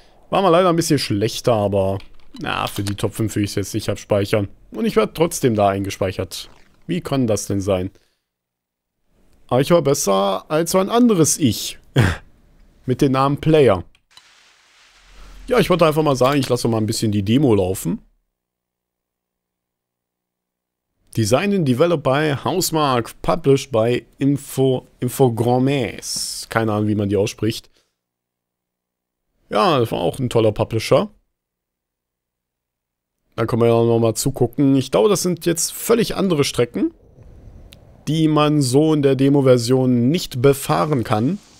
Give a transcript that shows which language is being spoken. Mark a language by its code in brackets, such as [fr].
[de] War mal leider ein bisschen schlechter, aber. Na, für die Top 5 würde ich es jetzt nicht abspeichern. Und ich werde trotzdem da eingespeichert. Wie kann das denn sein? Aber ich war besser als ein anderes Ich. Mit dem Namen Player. Ja, ich wollte einfach mal sagen, ich lasse mal ein bisschen die Demo laufen. [en] Designed and developed by Housemarque. Published by Infogrames. [de] Keine Ahnung, wie man die ausspricht. Ja, das war auch ein toller Publisher. Da können wir ja nochmal zugucken. Ich glaube, das sind jetzt völlig andere Strecken, die man so in der Demo-Version nicht befahren kann.